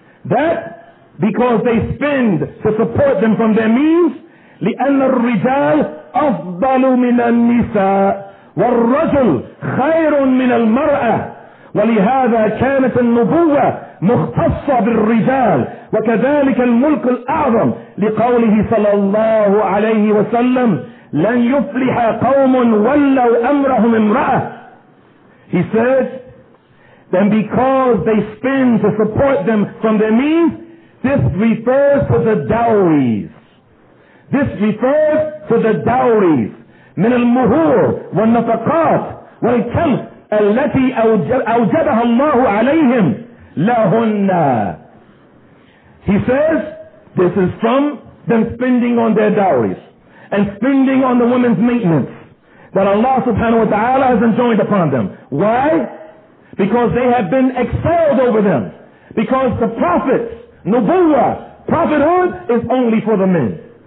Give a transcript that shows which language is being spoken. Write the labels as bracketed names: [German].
[English] that because they spend to support them from their means, [Arabic] لِأَنَّ الرِّجَالِ أَفْضَلُ مِنَ النِّسَاءِ وَالرَّجُلُ خَيْرٌ مِنَ الْمَرْأَةِ وَلِهَذَا كَانَتَ النُّبُوَّةِ مُخْتَصَّةً بِالرِّجَالِ وَكَذَلِكَ الْمُلْكُ الْأَعْظَمُ لِقَوْلِهِ صَلَى اللَّهُ عَلَيْهِ وَسَلَّمَ لَنْ يُفْلِحَ قَوْمٌ وَلَّوْا أَمْرَهُمْ امْرَأَةٌ. [English] He says, and because they spend to support them from their means, this refers to the dowries. This refers to the dowries. [Arabic] من المهور والنفقات والكلف التي أوجبها الله عليهم لهن. [English] He says, this is from them spending on their dowries and spending on the women's maintenance that Allah subhanahu wa ta'ala has enjoined upon them. Why? Because they have been excelled over them. Because the prophets, nubuwwah, prophethood is only for the men.